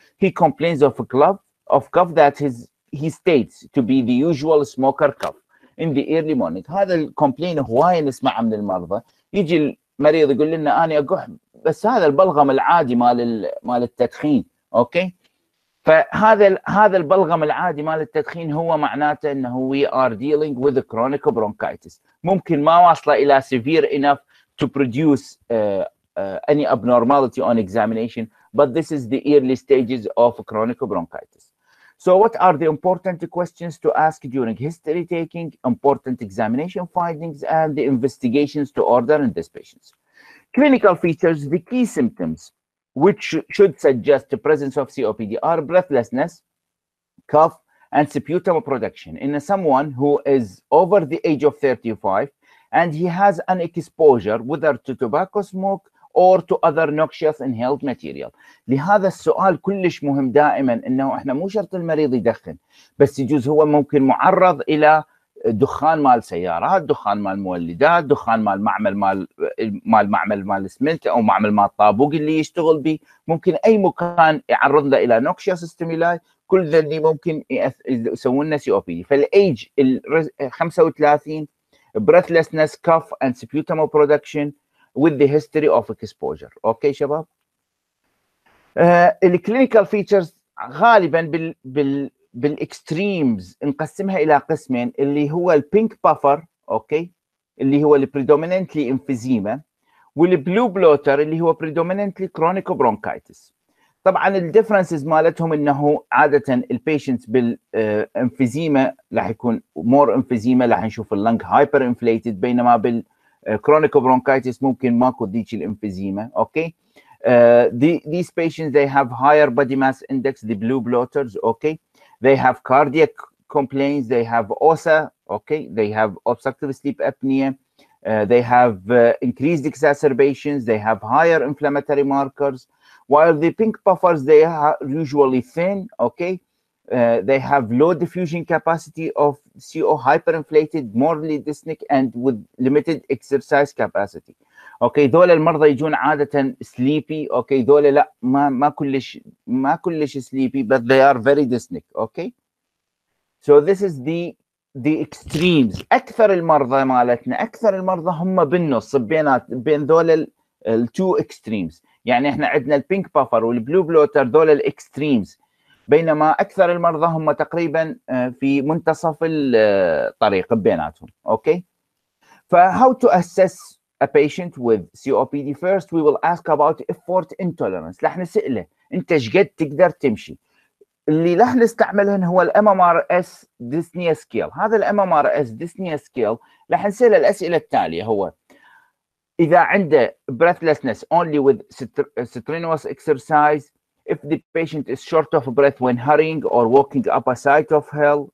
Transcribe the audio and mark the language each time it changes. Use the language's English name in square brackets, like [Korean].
[English] He complains of a cough that he states to be the usual smoker cough in the early morning. [Arabic] هذا الكومبلين هواي نسمع من المرضى. يجي المريض يقول لنا أنا أقح بس هذا البلغم العادي مال التدخين، أوكي؟ فهذا البلغم العادي مال التدخين هو معناته انه [English] we are dealing with a chronic bronchitis. [Arabic] ممكن ما وصله الى [English] severe enough to produce any abnormality on examination, but this is the early stages of chronic bronchitis. So what are the important questions to ask during history taking, important examination findings, and the investigations to order in this patient? Clinical features, the key symptoms which should suggest the presence of COPD are breathlessness, cough, and sputum production in someone who is over the age of 35 and he has an exposure whether to tobacco smoke or to other noxious inhaled material. [Arabic] لهذا السؤال كلش مهم دائما، انه احنا مو شرط المريض يدخن، بس يجوز هو ممكن معرض الى دخان مال سيارات، دخان مال مولدات، دخان مال معمل مال اسمنت او معمل مال طابوق اللي يشتغل به، ممكن اي مكان يعرض له الى نوكشيوس ستيمولاي، كل ذني ممكن يسوون لنا سي او بي. [English] فالايج 35 breathlessness cough and sputum production with the history of exposure. [Arabic] اوكي شباب، الكلينيكال فيتشرز غالبا بالإكستريمز نقسمها إلى قسمين، اللي هو البينك بافر، أوكي، اللي هو البريدومينانتلي إنفيزيما، والبلو بلوتر اللي هو بريدومينانتلي كرونيك برونكايتس. طبعا الديفرنسز مالتهم إنه عادة البيشنت بالإنفيزيما راح يكون مور إنفيزيما، راح نشوف اللنج هايبر إنفليتد، بينما بالكرونيك برونكايتس ممكن ماكو ذيك الإنفيزيما، أوكي. [English] These patients they have higher body mass index, the blue bloaters, okay. They have cardiac complaints, they have OSA, okay, they have obstructive sleep apnea, they have increased exacerbations, they have higher inflammatory markers, while the pink puffers, they are usually thin, okay, they have low diffusion capacity of CO, hyperinflated, morbidly dyspneic, and with limited exercise capacity. [Arabic] اوكي، ذولا المرضى يجون عاده سليبي، اوكي، ذولا لا ما كلش سليبي، بس [English] they are very dyspneic. Okay, so this is the extremes. [Arabic] اكثر المرضى هم بالنص بين ذولا التو اكستريمز، يعني احنا عندنا البينك بافر والبلو بلوتر، ذولا الاكستريمز، بينما اكثر المرضى هم تقريبا في منتصف الطريق بيناتهم. اوكي، [English] فهاو to assess a patient with COPD first, we will ask about effort intolerance. [Arabic] لح نسأله أنت شقد تقدر تمشي. اللي لح نستعملهن هو الـ MMRS Dyspnea Scale. هذا الـ MMRS Dyspnea Scale لح نسأل الأسئلة التالية، هو إذا عنده [English] breathlessness only with strenuous exercise, if the patient is short of breath when hurrying or walking up a side of hill.